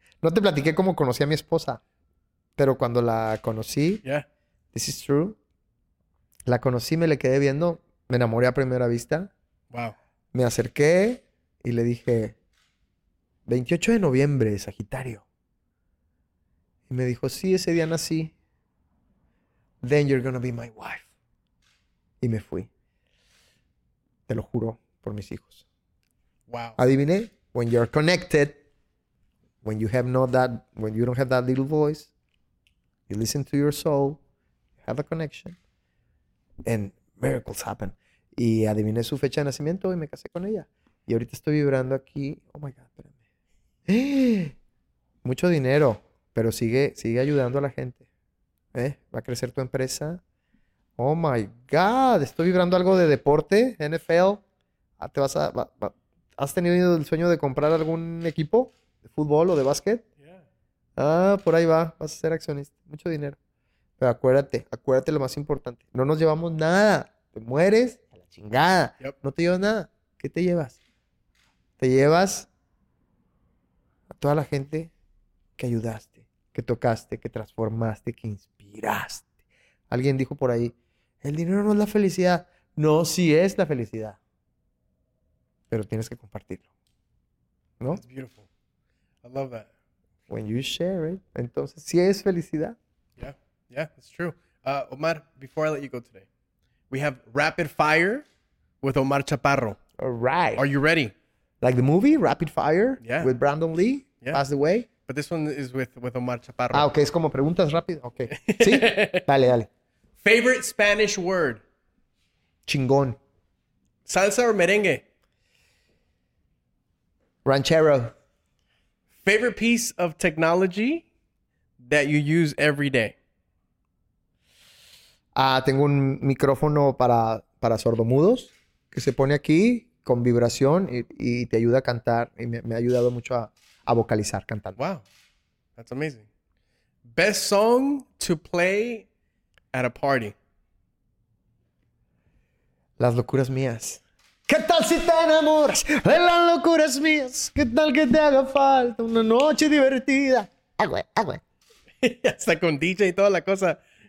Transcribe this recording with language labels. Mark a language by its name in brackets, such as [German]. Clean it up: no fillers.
[Spanish] No te platiqué cómo conocí a mi esposa, pero cuando la conocí, [English] yeah. This is true, [Spanish] la conocí, me le quedé viendo, me enamoré a primera vista. [English] Wow. [Spanish] Me acerqué y le dije, 28 de noviembre, Sagitario. Y me dijo, sí, ese día nací. [English] Then you're gonna be my wife. [Spanish] Y me fui. Te lo juro, por mis hijos. [English] Wow. [Spanish] Adiviné, [English] when you're connected, when you have not that, when you don't have that little voice, you listen to your soul, have a connection, and miracles happen. [Spanish] Y adiviné su fecha de nacimiento y me casé con ella. Y ahorita estoy vibrando aquí. [English] Oh my God, [Spanish] espérame. Mucho dinero, pero sigue ayudando a la gente. Va a crecer tu empresa. [English] Oh my God, [Spanish] estoy vibrando algo de deporte, NFL. ¿Te vas a, ¿Has tenido el sueño de comprar algún equipo? ¿Fútbol o de básquet? [English] Yeah. [Spanish] Ah, por ahí va. Vas a ser accionista. Mucho dinero. Pero acuérdate lo más importante. No nos llevamos nada. Te mueres a la chingada. Yep. No te llevas nada. ¿Qué te llevas? Te llevas a toda la gente que ayudaste, que tocaste, que transformaste, que inspiraste. Alguien dijo por ahí, el dinero no es la felicidad. No, sí es la felicidad. Pero tienes que compartirlo. ¿No? [English] It's beautiful. I love that. When you share it, [Spanish] entonces sí es felicidad. [English] Yeah, yeah, it's true. Omar, before I let you go today, we have Rapid Fire with Omar Chaparro. All right. Are you ready? Like the movie, Rapid Fire? Yeah. With Brandon Lee? Yeah. Pass the way? But this one is with Omar Chaparro. [Spanish] Ah, okay. Es como preguntas rápido. Okay. Sí. Dale, dale. [English] Favorite Spanish word? [Spanish] Chingón. [English] Salsa or merengue? [Spanish] Ranchero. [English] Favorite piece of technology that you use every day? [Spanish] Tengo un micrófono para sordomudos que se pone aquí con vibración y te ayuda a cantar y me ha ayudado mucho a vocalizar cantando. [English] Wow, that's amazing. Best song to play at a party? [Spanish] Las locuras mías. ¿Qué tal si te enamoras de las locuras mías? ¿Qué tal que te haga falta una noche divertida? Agüe, agüe. Hasta con DJ y toda la cosa.